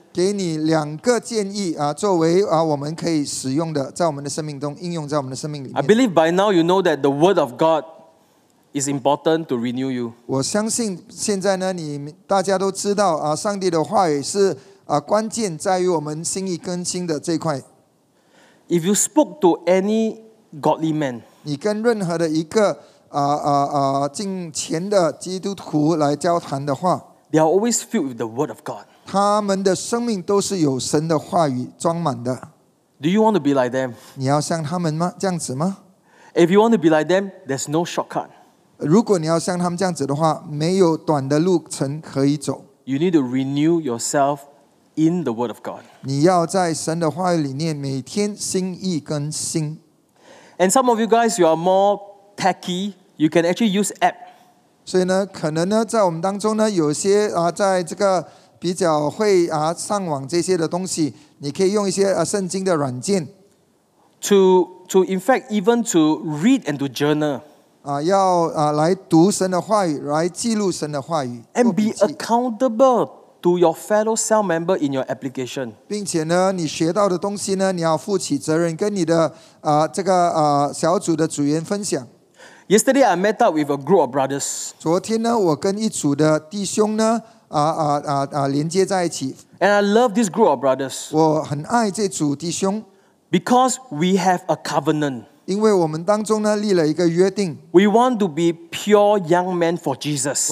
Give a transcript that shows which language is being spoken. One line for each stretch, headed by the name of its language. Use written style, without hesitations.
Chinese: 给你两个建议作为我们可以使用的，在我们的生命中应用在我们的生命里面。
English: I believe by now you know that the Word of God. Is important to renew you.
Chinese: 我相信现在呢，你大家都知道上帝的话语是关键在于我们心意更新的这块。
English: If you spoke to any godly man,
Chinese: 你跟任何的一个敬虔的基督徒来交谈的话
English: ，they are always filled with the word of God.
Chinese: 他们的生命都是有神的话语装满的。
English: Do you want to be like them?
Chinese: 你要像他们吗？这样子吗？
English: If you want to be like them, there's no shortcut.
Chinese: 如果你要像他们这样子的话，没有短的路程可以走。
English: You need to renew yourself in the Word of God.
Chinese: 你要在神的话语里面每天心意更新。
English: And some of you guys, you are more techy. You can actually use app.
Chinese: 所以呢，可能呢，在我们当中呢，有些啊，在这个比较会啊上网这些的东西，你可以用一些啊圣经的软件。
English: To in fact even to read and to journal.
Chinese: 啊，要啊来读神的话语，来记录神的话语。
English: And be accountable to your fellow cell member in your application.
Chinese: 并且呢，你学到的东西呢，你要负起责任，跟你的啊这个啊小组的组员分享。
English: Yesterday, I met up with a group of brothers.
Chinese: 昨天呢，我跟一组的弟兄呢，连接在一起。
English: And I love this group of brothers.
Chinese: 我很爱这组弟兄。
English: Because we have a covenant.
Chinese: 因为我们当中呢，立了一个约定。
English: We want to be pure young men for Jesus.